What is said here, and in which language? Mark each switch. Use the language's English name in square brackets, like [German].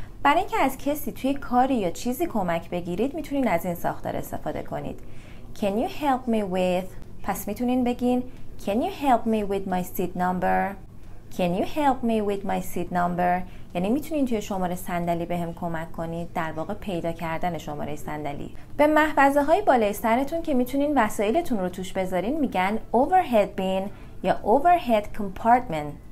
[Persian] برای اینکه از کسی توی کاری یا چیزی کمک بگیرید میتونین از این ساختار استفاده کنید. [English] Can you help me with؟ [Persian] پس میتونین بگین [English] Can you help me with my seat number؟ Can you help me with my seat number؟ [Persian] یعنی میتونین توی شماره صندلی [English] بهم کمک کنید، در واقع پیدا کردن شماره صندلی. [Persian] به محفظه های بالای سرتون که میتونین وسایلتون رو توش بذارین میگن overhead bin یا overhead compartment.